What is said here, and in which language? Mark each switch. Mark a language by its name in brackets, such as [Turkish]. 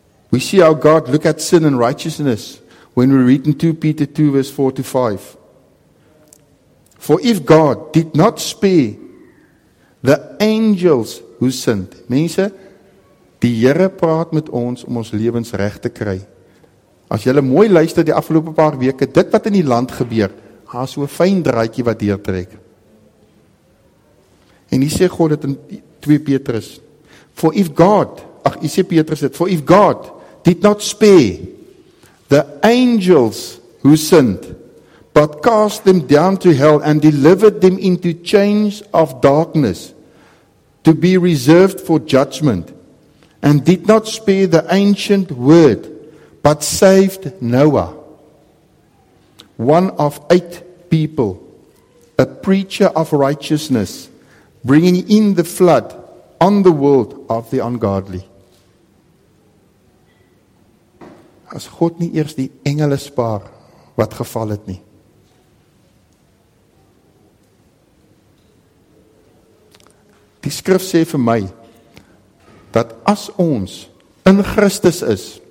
[English] We see how God look at sin and righteousness when we read in 2 Peter 2 verse 4 to 5. For if God did not spare the angels who sinned. [Afrikaans] Mense, die Here praat met ons om ons lewens reg te kry. As jy mooi luister die afgelope paar weke, dit wat in die land gebeur, gaan so 'n fyn draadjie wat deurtrek. En hier sê God dit in 2 Petrus. [English] For if God, [Afrikaans] ag, hier sê Petrus dit, [English] for if God did not spare the angels who sinned, but cast them down to hell and delivered them into chains of darkness to be reserved for judgment, and did not spare the ancient word, but saved Noah, one of 8 people, a preacher of righteousness, bringing in the flood on the world of the ungodly. [Afrikaans] As God nie eers die engele spaar wat geval het nie. Die skrif sê vir my dat as ons in Christus is,